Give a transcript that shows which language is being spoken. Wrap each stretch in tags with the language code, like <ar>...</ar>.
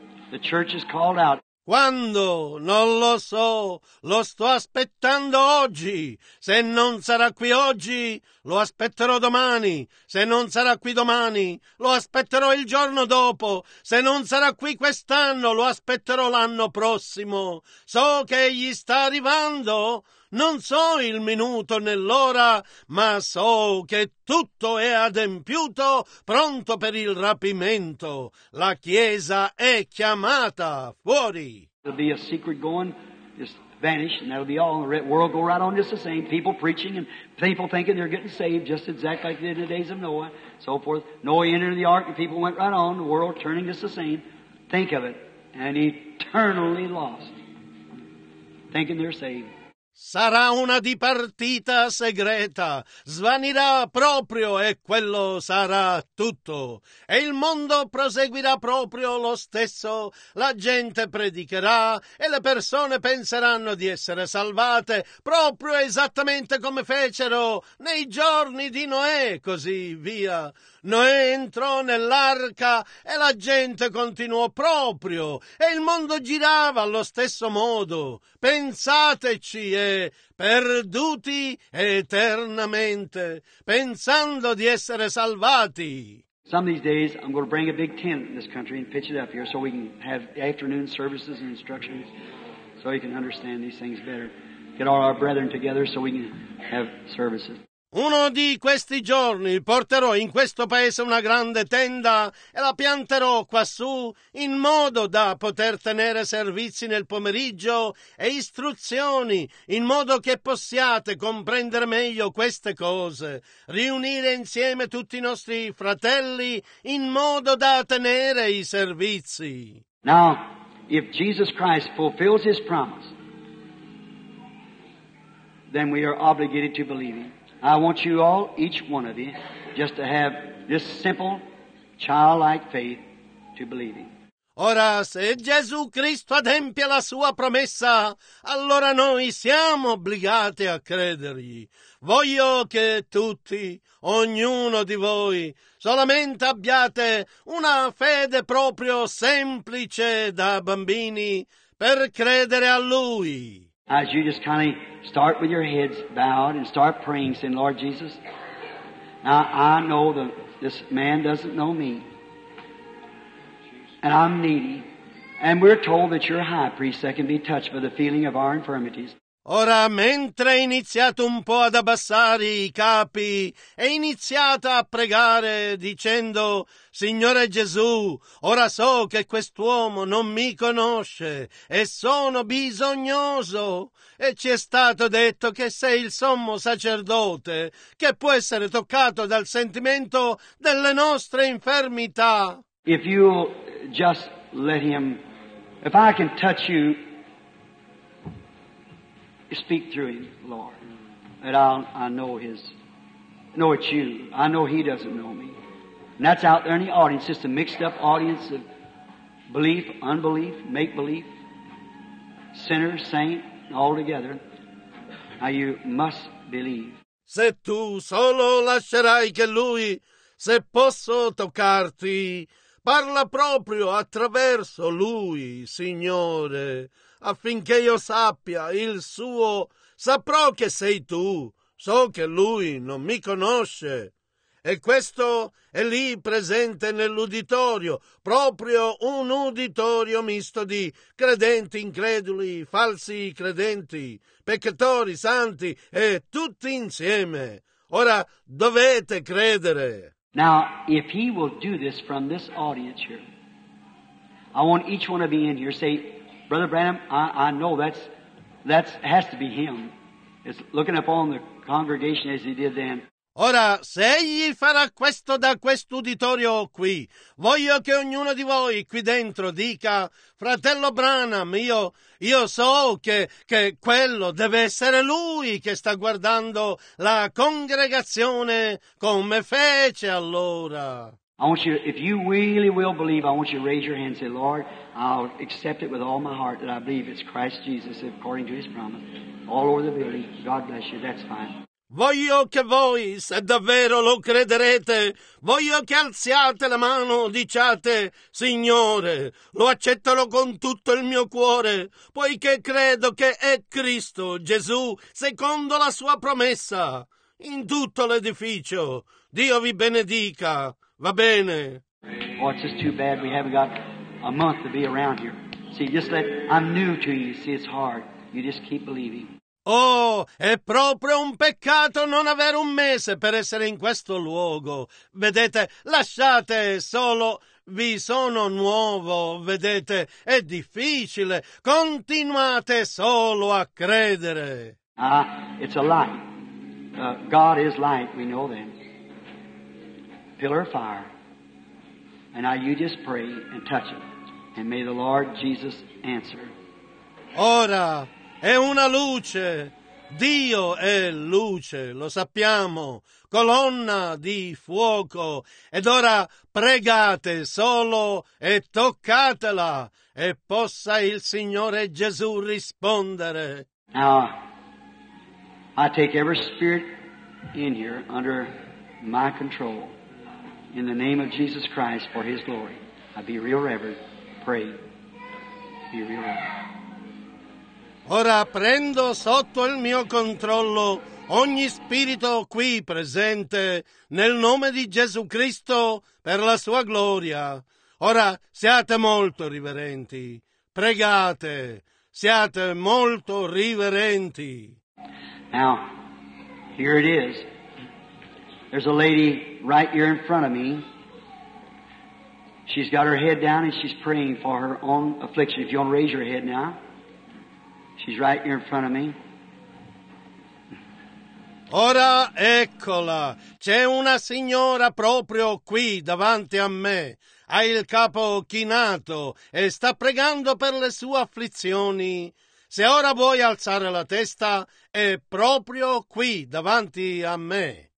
<en>The church is called out.</en> <it>Quando? Non lo so. Lo sto aspettando oggi. Se non sarà qui oggi, lo aspetterò domani. Se non sarà qui domani, lo aspetterò il giorno dopo. Se non sarà qui quest'anno, lo aspetterò l'anno prossimo. So che egli sta arrivando. Non so il minuto né l'ora, ma so che tutto è adempiuto, pronto per il rapimento. La Chiesa è chiamata fuori.</it> <en>There'll be a secret going, just vanish, and that'll be all. The world go right on just the same. People preaching and people thinking they're getting saved, just exactly like in the days of Noah, so forth. Noah entered the ark and people went right on, the world turning just the same. Think of it, and eternally lost, thinking they're saved.</en> <it>Sarà una dipartita segreta, svanirà proprio e quello sarà tutto. E il mondo proseguirà proprio lo stesso, la gente predicherà e le persone penseranno di essere salvate, proprio esattamente come fecero nei giorni di Noè, così via. Noè entrò nell'arca e la gente continuò proprio e il mondo girava allo stesso modo. Pensateci e perduti eternamente, pensando di essere salvati.</it> <en>Some of these days I'm going to bring a big tent in this country and pitch it up here so we can have afternoon services and instructions so you can understand these things better. Get all our brethren together so we can have services.</en> <it>Uno di questi giorni porterò in questo paese una grande tenda e la pianterò quassù in modo da poter tenere servizi nel pomeriggio e istruzioni in modo che possiate comprendere meglio queste cose, riunire insieme tutti i nostri fratelli in modo da tenere i servizi.</it> <en>Now, if Jesus Christ fulfills his promise, then we are obligated to believe him. I want you all, each one of you, just to have this simple, childlike faith to believe him.</en> <it>Ora, se Gesù Cristo adempie la sua promessa, allora noi siamo obbligati a credergli. Voglio che tutti, ognuno di voi, solamente abbiate una fede proprio semplice da bambini per credere a lui.</it> <en>As you just kind of start with your heads bowed and start praying, saying, Lord Jesus, now I know that this man doesn't know me, and I'm needy, and we're told that you're a high priest that can be touched by the feeling of our infirmities.</en> <it>Ora, mentre è iniziato un po' ad abbassare i capi, è iniziata a pregare dicendo: Signore Gesù, ora so che quest'uomo non mi conosce e sono bisognoso. E ci è stato detto che sei il sommo sacerdote, che può essere toccato dal sentimento delle nostre infermità.</it> <en>If you just let him, if I can touch you, speak through him, Lord, and I know it's you. I know he doesn't know me. And that's out there in the audience, just a mixed up audience of belief, unbelief, make belief, sinner, saint, all together. Now you must believe.</en> <it>Se tu solo lascerai che lui, se posso toccarti, parla proprio attraverso lui, Signore, affinché io sappia il suo, saprò che sei tu, so che lui non mi conosce. E questo è lì presente nell'uditorio, proprio un uditorio misto di credenti increduli, falsi credenti, peccatori, santi e tutti insieme. Ora dovete credere.</it> <en>Now, if he will do this from this audience here, I want each one of you in here say, Brother Branham, I know that's has to be him. It's looking upon the congregation as he did then.</en> <it>Ora, se egli farà questo da quest'uditorio qui, voglio che ognuno di voi qui dentro dica, fratello Branham, io so che quello deve essere lui che sta guardando la congregazione come fece allora.</it> <en>I want you, if you really will believe, I want you to raise your hand and say, Lord, I'll accept it with all my heart that I believe it's Christ Jesus according to his promise. All over the building, God bless you, that's fine.</en> <it>Voglio che voi, se davvero lo crederete, voglio che alziate la mano, diciate, Signore, lo accettalo con tutto il mio cuore, poiché credo che è Cristo, Gesù, secondo la sua promessa, in tutto l'edificio. Dio vi benedica. Va bene.</it> <en>Oh, it's just too bad we haven't got a month to be around here. See, just let, I'm new to you. See, it's hard. You just keep believing.</en> <it>Oh, è proprio un peccato non avere un mese per essere in questo luogo. Vedete, lasciate solo, vi sono nuovo, vedete, è difficile. Continuate solo a credere.</it> <en>Ah, it's a light. God is light, we know that. Pillar of fire. And now you just pray and touch it. And may the Lord Jesus answer.</en> <it>Ora, è una luce. Dio è luce, lo sappiamo. Colonna di fuoco. Ed ora pregate solo e toccatela. E possa il Signore Gesù rispondere.</it> <en>Now, I take every spirit in here under my control. In the name of Jesus Christ for his glory. I be real reverent. Pray. Be real reverent.</en> <it>Ora prendo sotto il mio controllo ogni spirito qui presente nel nome di Gesù Cristo per la sua gloria. Ora siate molto riverenti. Pregate. Siate molto riverenti.</it> <en>Now, here it is. There's a lady right here in front of me. She's got her head down and she's praying for her own affliction. If you want to raise your head now. She's right here in front of me.</en> <it>Ora, eccola. C'è una signora proprio qui davanti a me. Ha il capo chinato e sta pregando per le sue afflizioni. Se ora vuoi alzare la testa, è proprio qui davanti a me.</it>